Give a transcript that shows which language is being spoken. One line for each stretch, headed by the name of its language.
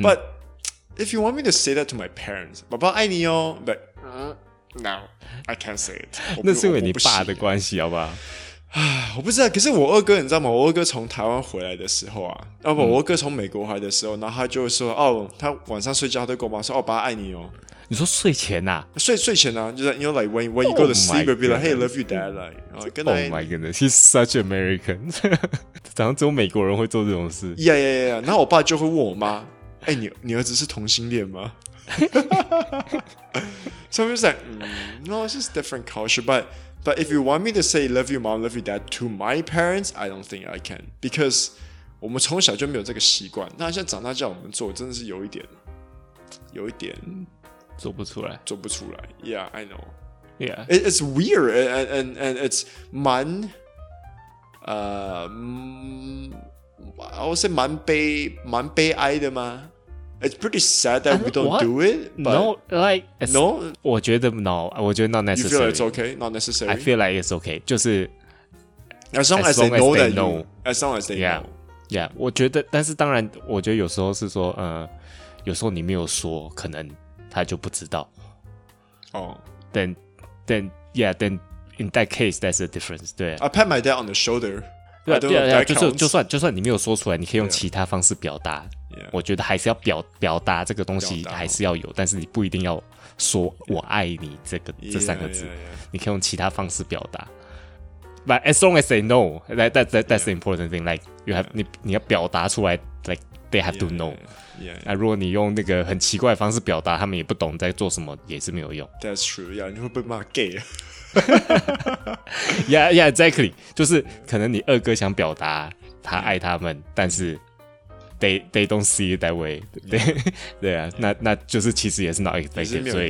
English: But if you want me to say that to my parents，
Chinese: 爸爸爱你哦
English: ，but、No, I can't say it.
Chinese: 那是因为你爸的关系，好不好？我不知道。可是我二哥，你知道吗？我二哥从台湾回来的时候啊，要不、嗯、我二哥从美国回来的时候，然后他就说：“哦，他晚上睡觉，他都跟我妈说：‘哦，爸爱你哦。’ 你说睡前啊？睡前啊，就是
English: you know, like when you go to sleep,、 oh、 be like, hey, love you, dad, like, oh my goodness, he's such American.
Chinese: 好像只有美国人会做这种事。
English: Yeah, yeah, yeah.
Chinese: 然后我爸就会问我妈：‘哎、欸，你儿子是同性恋吗？’
English: So I'm just like, no, it's just different culture. But if you want me to say love you mom, love you dad to my parents, I don't think I can. Because
Chinese: 我们从小就没有这个习惯。那现在长大叫我们做，真的是有一点做不出来，做不出来。
English: Yeah, I know. Yeah, it's weird and it's
Chinese: 蛮
English: I would say
Chinese: 蛮悲哀的吗？
English: It's pretty sad that we don't do it. But no, like no.
Chinese: 我觉得
English: no.
Chinese: 我觉得
English: not necessary. You feel it's okay, not necessary. I feel like it's okay.
Chinese: 就是
English: as long as they know. Yeah.
Chinese: 我觉得，但是当然，我觉得有时候是说，有时候你没有说，可能他就不知道。哦。
English: Then yeah. Then in that case, that's a difference.
Chinese: 对。
English: I pat my dad on the shoulder.
Chinese: 对对对，就算你没有说出来，你可以用其他方式表达。
English: Yeah.
Chinese: 我觉得还是要表达这个东西还是要有，但是你不一定要说我爱你这个
English: yeah,
Chinese: 这三个字，
English: yeah, yeah.
Chinese: 你可以用其他方式表达。
English: But as long as they know, that's the important thing. Like you have
Chinese: 你要表达出来
English: ，like they have to know. Yeah.
Chinese: 如果你用那个很奇怪的方式表达，他们也不懂在做什么，也是没有用。
English: That's true. Yeah.
Chinese: 你会被骂
English: gay. Yeah. Yeah. Exactly.
Chinese: 就是可能你二哥想表达他爱他们，但是。
English: They don't see it that way. Yeah.
Chinese: 对对啊，
English: yeah.
Chinese: 那就是其实也是
English: not expected，